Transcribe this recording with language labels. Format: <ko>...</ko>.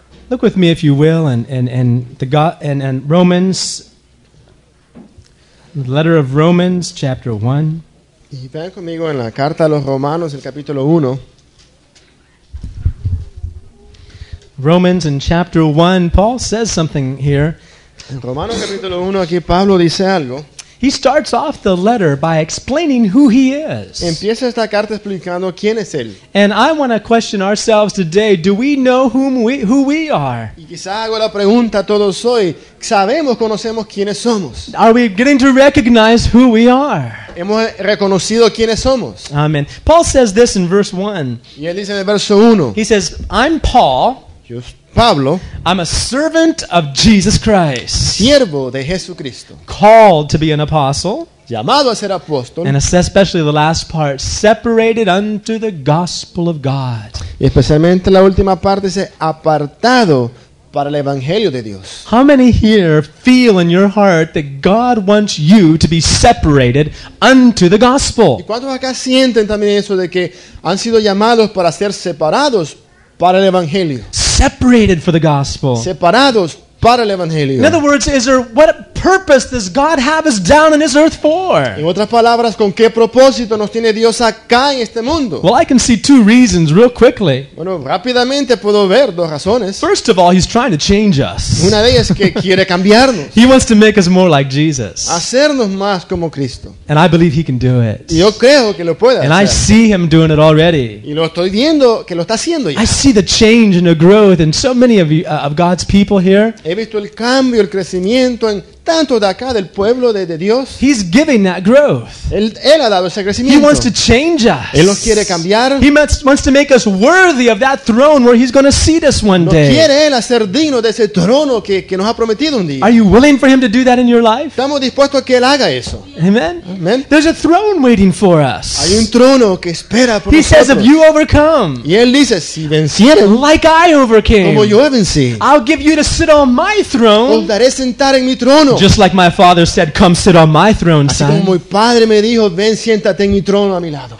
<en>Look with me, if you will, and Romans, the letter of Romans, chapter 1.</en> <es>Y vean conmigo en la carta a los Romanos, el capítulo 1.</es> <en>Romans in chapter 1, Paul says something here.</en> <es>En Romanos capítulo 1, aquí Pablo dice algo.</es> <en>He starts off the letter by explaining who he is.</en> <es>Empieza esta carta explicando quién es él.</es> <en>And I want to question ourselves today, do we know who we are?</en> <es>Y quizá hago la pregunta a todos hoy, ¿sabemos, conocemos quiénes somos?</es> <en>Are we getting to recognize who we are?</en> <es>¿Hemos reconocido quiénes somos?</es> <en>Amen. Paul says this in verse 1.</en> <es>Y él dice en el verso 1.</es> <en>He says, I'm Paul.</en> <es>Pablo,</es> <en>I'm a servant of Jesus Christ.</en> <es>Siervo de Jesucristo.</es> <en>Called to be an apostle.</en> <es>Llamado a ser apóstol.</es> <en>And especially the last part, separated unto the gospel of God.</en> <es>Y especialmente la última parte dice apartado para el evangelio de Dios.</es> <en>How many here feel in your heart that God wants you to be separated unto the gospel?</en> <es>¿Y cuántos acá sienten también eso de que han sido llamados para ser separados para el evangelio?</es> <en>Separated for the gospel.</en> <es>Separados para el evangelio.</es> <en>In other words, what purpose does God have us down on this earth for?</en> <es>En otras palabras, ¿con qué propósito nos tiene Dios acá en este mundo?</es> <en>Well, I can see two reasons real quickly.</en> <es>Bueno, rápidamente puedo ver dos razones.</es> <en>First of all, he's trying to change us.</en> <es>Una de ellas es que quiere cambiarnos.</es> <en>He wants to make us more like Jesus.</en> <es>Hacernos más como Cristo.</es> <en>And I believe he can do it.</en> <es>Y yo creo que lo puede hacer.</es> <en>And I see him doing it already.</en> <es>Y lo estoy viendo que lo está haciendo ya.</es> <en>I see the change and the growth in so many of you, of God's people here.</en> <es>He visto el cambio, el crecimiento en tanto de acá del pueblo de Dios.</es> <en>He's giving that growth.</en> <es>Él ha dado ese crecimiento.</es> <en>He wants to change us.</en> <es>Él nos quiere cambiar.</es> <en>He wants to make us worthy of that throne where he's going to seat us one day.</en> <es>Nos quiere él hacer digno de ese trono que nos ha prometido un día.</es> <en>Are you willing for him to do that in your life?</en> <es>¿Estamos dispuestos a que él haga eso?</es> <en>Amen.</en> <es>Amen.</es> <en>There's a throne waiting for us.</en> <es>Hay un trono que espera por</es> <en>he</en> <es>nosotros.</es> <en>He says if you overcome.</en> <es>Y él dice si vencieres.</es> <en>Like I overcame.</en> <es>Como yo vencí.</es> <en>I'll give you to sit on my throne.</en> <es>Os daré sentar en mi trono.</es> <en>Just like my father said, come sit on my throne, son.</en> <es>Así como mi padre me dijo, ven, siéntate en mi trono a mi lado.</es>